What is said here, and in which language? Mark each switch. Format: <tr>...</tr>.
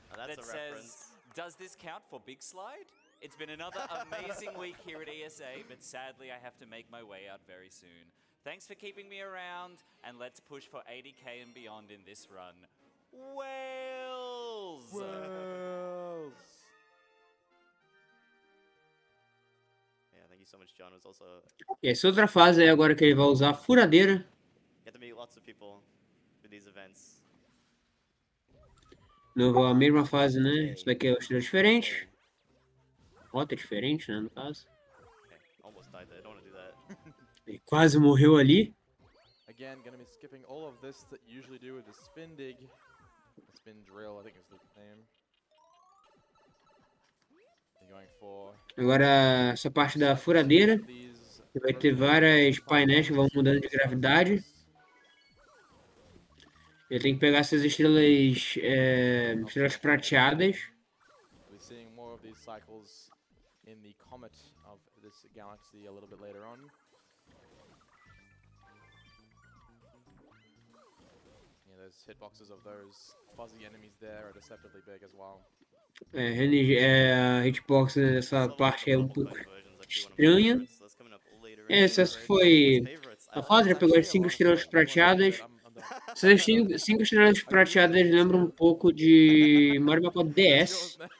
<en>Oh, that says, does this count for Big Slide? It's been another amazing week here at ESA, but sadly I have to make my way out very soon. Thanks for keeping me around, and let's push for 80k and beyond in this run. Wales! Wales! Yeah, thank you so much, John. It was also...</en> <pt>Okay, essa outra fase aí agora que ele vai usar a furadeira.</pt> <en>Get to meet lots of people for these events.</en> <pt>Novo, a mesma fase, né? Isso daqui é uma estrela diferente. Rota diferente, né, no caso.</pt> <en>Okay, almost died there. I don't want to do that.</en> <pt>Ele quase morreu ali.</pt> <en>Again, gonna be skipping all of this that you usually do with the spin dig. Spin drill, I think is the name. Going for...</en> <pt>Agora, essa parte da furadeira. Que vai ter várias painéis que vão mudando de gravidade. Eu tenho que pegar essas estrelas, estrelas prateadas.</pt> <en>We're seeing more of these cycles in the comet of this galaxy a little bit later on. Yeah, those hitboxes of those fuzzy enemies there are deceptively big as well.</en> <pt>A hitbox nessa parte é um pouco estranha. Essa foi a fase, já pegou as 5 estrelas prateadas. Essas 5 estrelas prateadas lembram um pouco de Mario Maker DS.</pt>